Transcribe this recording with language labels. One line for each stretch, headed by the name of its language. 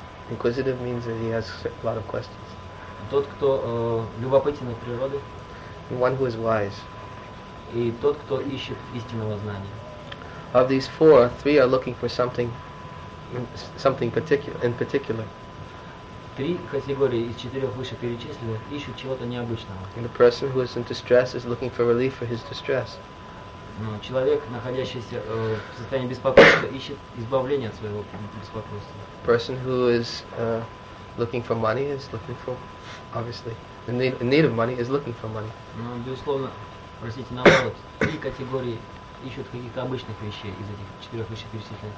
English: Inquisitive means that he has a lot of questions.
Russian: Тот, кто любопытен от природы.
English: One who is wise.
Russian: И тот, кто ищет истинного знания.
English: Of these four, three are looking for something in particular.
Russian: Три категории из четырех выше перечисленных ищут чего-то необычного.
English: And the person who is in distress is looking for relief for his distress.
Russian: Но человек, находящийся в состоянии беспокойства, ищет избавление от своего беспокойства.
English: Person who is looking for money is looking for, obviously, in need of money is looking for money.
Russian: Но безусловно, простите, наоборот, три категории ищут каких-то обычных вещей из этих четырех выше перечисленных.